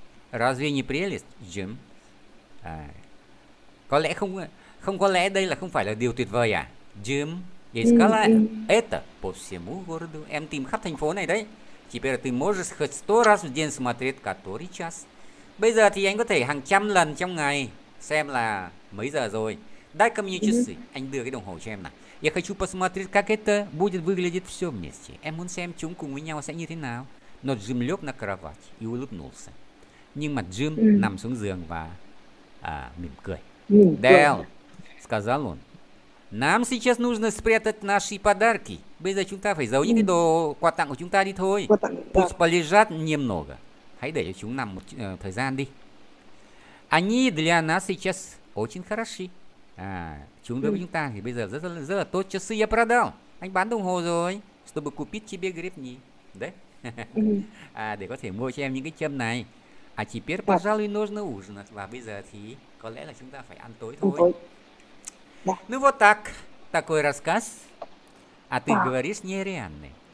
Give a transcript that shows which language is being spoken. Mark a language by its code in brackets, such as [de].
[ru] Разве не прелесть, Jim? [vi] Có lẽ không không có lẽ đây là không phải là điều tuyệt vời à, Jim? [ru] Искала это по всему городу. [vi] Em tìm khắp thành phố này đấy. [ru] Теперь ты можешь хоть 100 раз в день смотреть, который час. [vi] Bây giờ thì anh có thể hàng trăm lần trong ngày xem là mấy giờ rồi. [ru] Дай-ка мне часы. [vi] Anh đưa cái đồng hồ cho em nào. [ru] Я хочу посмотреть, как это будет выглядеть все вместе. [vi] Em muốn xem chúng cùng với nhau sẽ như thế nào. [ru] Но Джим лег на кровать и улыбнулся. [vi] Nhưng mà Джим nằm xuống giường và mỉm cười. [ru] Дэл, сказал он, нам сейчас нужно спрятать наши подарки. [vi] Bây giờ chúng ta phải giấu những cái đồ quà tặng của chúng ta đi thôi. [ru] Пусть полежат немного. [vi] Hãy để cho chúng nằm một thời gian đi. [ru] Они для нас сейчас очень хороши. [vi] À, chúng đối với chúng ta thì bây giờ rất là tốt. [ru] Часы я продал. [vi] Anh bán đồng hồ rồi. [ru] Чтобы купить тебе гребни. [vi] Đấy. À, để có thể mua cho em những cái châm này. [ru] À, теперь, пожалуй, нужно ужинать. [vi] Và bây giờ thì có lẽ là chúng ta phải ăn tối thôi. [ru] Ну вот так. Такой рассказ. А ты говоришь нереальный.